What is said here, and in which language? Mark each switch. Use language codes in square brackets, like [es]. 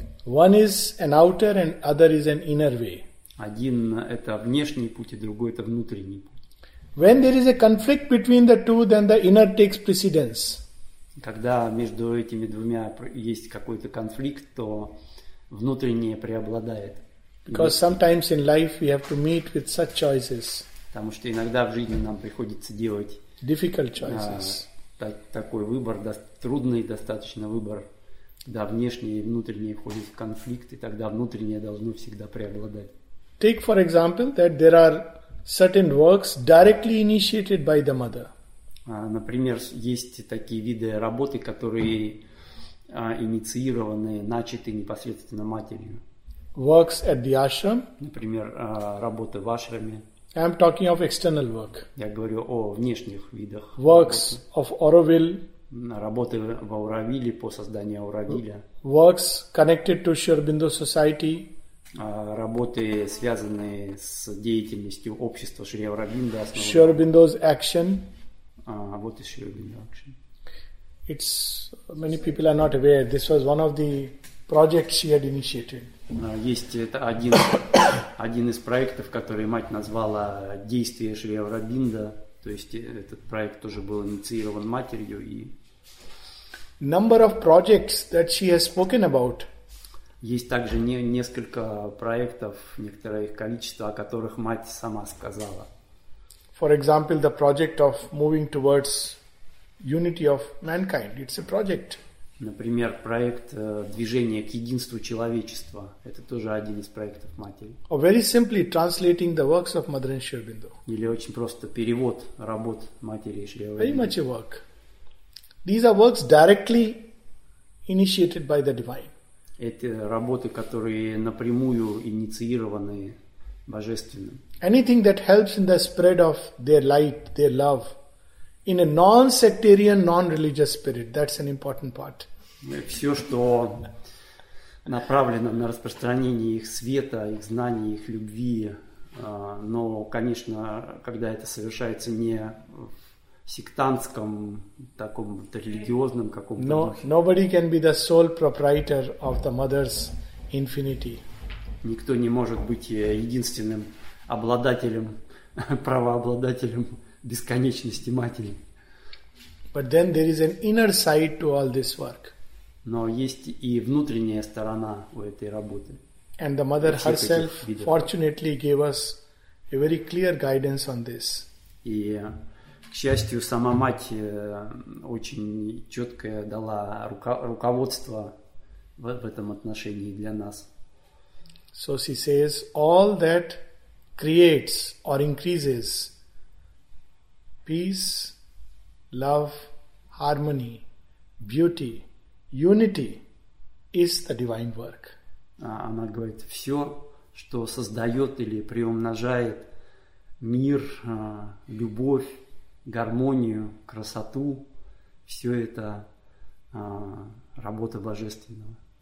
[en] One is an outer and other is an inner way. [ru] Один – это внешний путь, и другой – это внутренний путь. [en] When there is a conflict between the two, then the inner takes precedence. [ru] Когда между этими двумя есть какой-то конфликт, то внутреннее преобладает. [en] Because sometimes in life we have to meet with such choices. [ru] Потому что иногда в жизни нам приходится делать [en] difficult choices. [ru] Такой выбор, трудный достаточно выбор, когда внешние и внутренние входят в конфликт, и тогда внутреннее должно всегда преобладать. [en] Take for example that there are certain works directly initiated by the mother. [ru] Например, есть такие виды работы, которые инициированы, начаты непосредственно матерью. [en] Works at the ashram. [ru] Например, работы в ашраме. [en] I'm talking of external work. [ru] Я говорю о внешних видах. [en] Works of Auroville. [ru] работы в Ауравиле, по созданию Ауравиля. [en] Works connected to Sri Aurobindo Society. [ru] Работы, связанные с деятельностью общества Шри Аурабинда. [en] Sri Aurobindo's action. What is Sri Aurobindo action? It's many people are not aware. This was one of the projects she had initiated. [ru] Есть это один из проектов, который мать назвала действия Шри Аурабинда. То есть этот проект тоже был инициирован матерью и. [en] Number of projects that she has spoken about. [ru] Есть также несколько проектов, некоторое их количество, о которых мать сама сказала. [en] For example, the project of moving towards unity of mankind. It's a project. [ru] Например, проект движения к единству человечества. Это тоже один из проектов матери. [en] Or very simply translating the works of Mother Sri Aurobindo. [ru] Или очень просто перевод работ матери Шри Аурабинды. [en] Very much a work. These are works directly initiated by the divine. [ru] Это работы, которые напрямую инициированы божественным. [en] Anything that helps in the spread of their light, their love, in a non-sectarian, non-religious spirit, that's an important part. [ru] Все, что направлено на распространение их света, их знаний, их любви, но, конечно, когда это совершается не сектантском, таком религиозном каком-то. [en] No, nobody can be the sole proprietor of the mother's infinity. [ru] Никто не может быть единственным обладателем, правообладателем бесконечности матери. [en] But then there is an inner side to all this work. [ru] Но есть и внутренняя сторона у этой работы. [en] And the mother herself fortunately gave us a very clear guidance on this. [ru] И к счастью, сама мать очень четкое дала руководство в этом отношении для нас. [en] So she says, all that creates or increases peace, love, harmony, beauty, unity is the divine work. [ru] Она говорит, все, что создает или приумножает мир, любовь, гармонию, красоту, все это работа божественного.